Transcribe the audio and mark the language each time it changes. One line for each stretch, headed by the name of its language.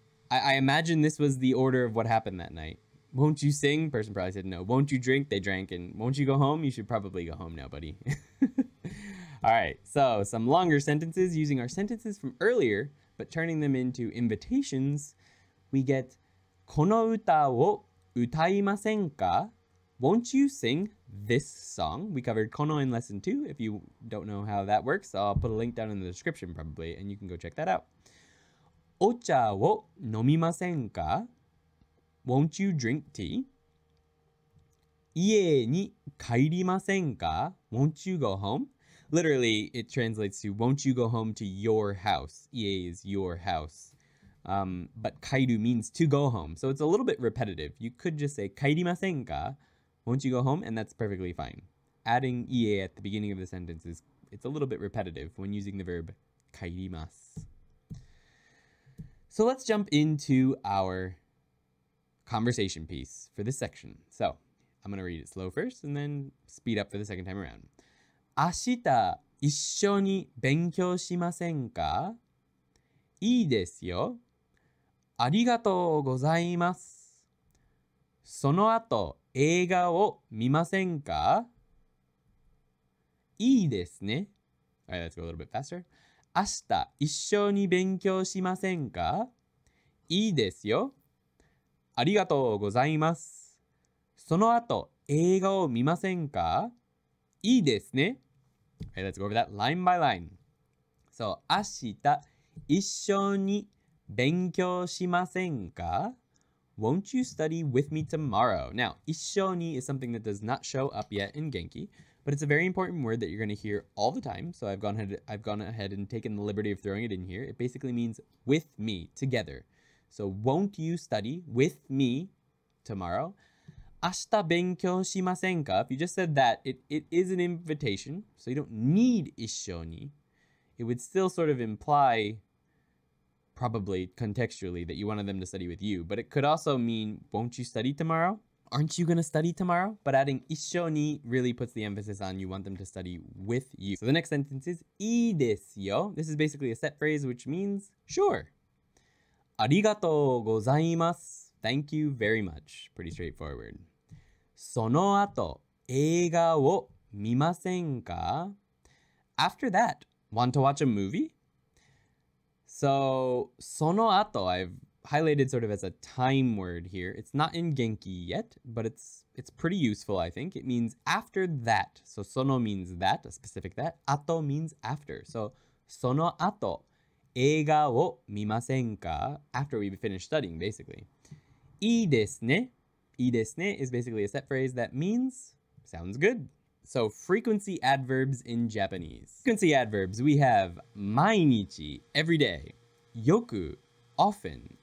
English: I imagine this was the order of what happened that night. Won't you sing? Person probably said no. Won't you drink? They drank. And won't you go home? You should probably go home now, buddy. All right, so some longer sentences using our sentences from earlier, but turning them into invitations. We get,
Japanese: この歌を歌いませんか?
English: Won't you sing this song? We covered kono in lesson 2. If you don't know how that works, I'll put a link down in the description probably, and you can go check that out.
Japanese: お茶を飲みませんか?
English: Won't you drink tea?
Japanese: 家に帰りませんか?
English: Won't you go home? Literally, it translates to, won't you go home to your house? 家 is your house. But 帰る means to go home, so it's a little bit repetitive. You could just say,
Japanese: 帰りませんか?
English: Won't you go home? And that's perfectly fine. Adding 家 at the beginning of the sentence is, it's a little bit repetitive when using the verb 帰ります. So let's jump into our conversation piece for this section. So, I'm going to read it slow first and then speed up for the second time around.
Japanese: 明日一緒に勉強しませんか?いいですよ。ありがとうございます。その後映画を見ませんか? いいですね。
English: All right, let's go a little bit faster.
Japanese: 明日一緒に勉強しませんか?いいですよ。ありがとうございます。その後、映画を見ませんか? いいですね。
English: Okay, let's go over that line by line. So,
Japanese: 明日、一緒に勉強しませんか?
English: Won't you study with me tomorrow? Now, 一緒に is something that does not show up yet in Genki, but it's a very important word that you're going to hear all the time, so I've gone ahead and taken the liberty of throwing it in here. It basically means with me, together. So, won't you study with me tomorrow?
Japanese: 明日勉強しませんか?
English: If you just said that, it is an invitation, so you don't need 一緒に. It would still sort of imply, probably contextually, that you wanted them to study with you. But it could also mean, won't you study tomorrow? Aren't you going to study tomorrow? But adding 一緒に really puts the emphasis on you want them to study with you. So, the next sentence is,
Japanese: いいですよ.
English: This is basically a set phrase which means, sure.
Japanese: ありがとうございます。
English: Thank you very much. Pretty straightforward.
Japanese: その後、映画を見ませんか?
English: After that, want to watch a movie? So, その後, I've highlighted sort of as a time word here. It's not in Genki yet, but it's pretty useful, I think. It means after that. So, その means that, a specific that. 後 means after.
Japanese: So, その後、映画を見ませんか?
English: After we finish studying, basically.
Japanese: いいですね。
English: いいですね is basically a set phrase that means, sounds good. So, frequency adverbs in Japanese. Frequency adverbs, we have 毎日, every day. よく, often.